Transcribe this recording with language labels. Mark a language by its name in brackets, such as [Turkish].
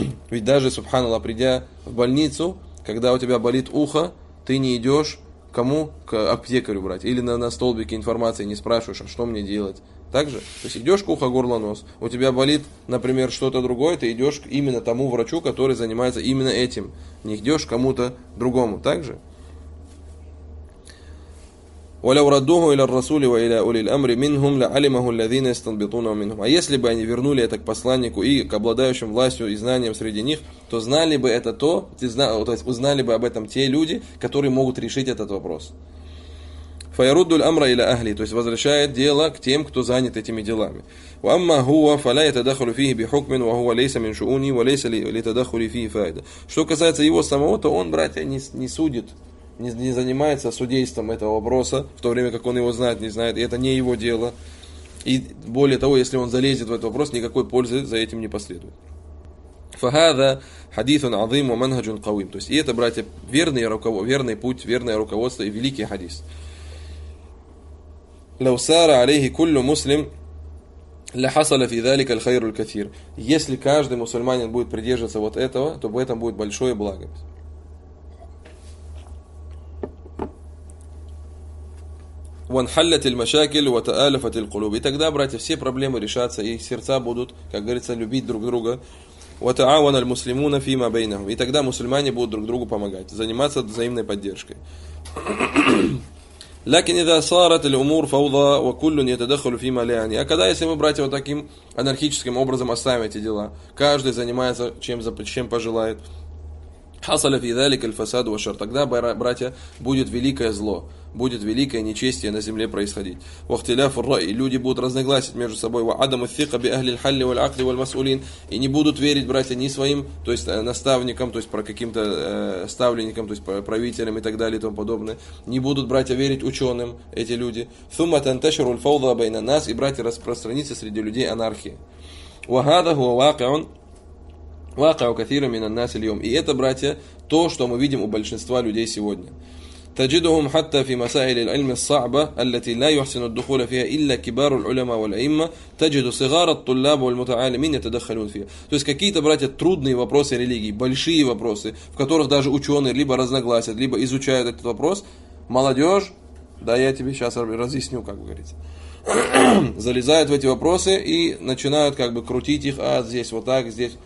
[Russian] Ведь даже, субханаллах, придя в больницу, когда у тебя болит ухо, ты не идешь кому? К аптекарю, брать. Или на столбике информации не спрашиваешь, а что мне делать. Так же? То есть идешь к ухо, горло, нос. У тебя болит, например, что-то другое, ты идешь к именно тому врачу, который занимается именно этим. Не идешь к кому-то другому. Так же? [Arabic] ولو ردوه إلى الرسول وإلى أولي الأمر منهم لعلمه الذين يستنبطون منهم. [Russian] А если бы они вернули это к посланнику и к обладающим властью и знанием среди них, то знали бы это то, то есть узнали бы об этом те люди, которые могут решить этот вопрос. [Arabic] فَيَرُدُّ الْأَمْرَ إِلَى أَهْلِهِ, [Russian] то есть возвращает дело к тем, кто занят этими делами. [Arabic] وَأَمَّا هُوَ فَلَا يَتَدَخُلُ فِيهِ بِحُكْمٍ وَهُوَ لَيْسَ مِنْ شُؤُونِي وَلَيْسَ لِتَدَخُلِ فِيهِ فَائِدَةٍ. [Russian] Что касается его самого, то он, братья, не судит, не занимается судейством этого вопроса, в то время как он его знает, не знает, и это не его дело. И более того, если он залезет в этот вопрос, никакой пользы за этим не последует. [Arabic] فَهَذَا حَدِيثٌ عَظِيمٌ وَمَنْهَجٌ قَوِيمٌ. [Russian] То есть, и это, братья, верный путь, верное руководство и великий хадис. [Arabic] لو سار عليه كل مسلم لحصل في ذلك الخير الكثير. [Russian] Если каждый мусульманин будет придерживаться вот этого, то в этом будет большое благо. [Arabic] وانحلت المشاكل وتآلفت القلوب. [Russian] И тогда, братья, все проблемы решатся, и сердца будут, как говорится, любить друг друга. [Arabic] وتعاون المسلمون فيما بينهم. [Russian] И тогда мусульмане будут друг другу помогать, заниматься взаимной поддержкой. [Arabic] لكن إذا صارت الأمور فوضى وكل يتدخل فيما لا يعني. [Russian] А когда, если мы, братья, вот таким анархическим образом оставим эти дела, каждый занимается чем пожелает. [Arabic] حصل في ذلك الفساد والشر. [Russian] Тогда, братья, будет великое зло, будет великое нечестие на земле происходить. [Arabic] واختلاف الرأي. [Russian] Люди будут разногласить между собой. [Arabic] وعدم الثقة بأهل الحل والعقد والمسؤولين. [Russian] И не будут верить, братья, ни своим, то есть наставникам, то есть про каким-то ставленникам, то есть правителям и так далее и тому подобное. Не будут, братья, верить ученым эти люди. [Arabic] ثم تنتشر الفوضى بين الناس. [Russian] И, братья, распространится среди людей анархия. [Arabic] وهذا هو واقع. [Russian] И это, братья, то, что мы видим у большинства людей сегодня. [Arabic] تجدهم حتى في مسائل العلم الصعبة التي لا يحسن الدخول فيها إلا كبار العلماء والأئمة تجد صغار الطلاب والمتعلمين يتدخلون فيها. [Russian] То есть какие-то, братья, трудные вопросы религии, большие вопросы, в которых даже ученые либо разногласят, либо изучают этот вопрос, молодежь, да я тебе сейчас разъясню, как говорится, залезают в эти вопросы и начинают как бы крутить их, а здесь вот так, здесь.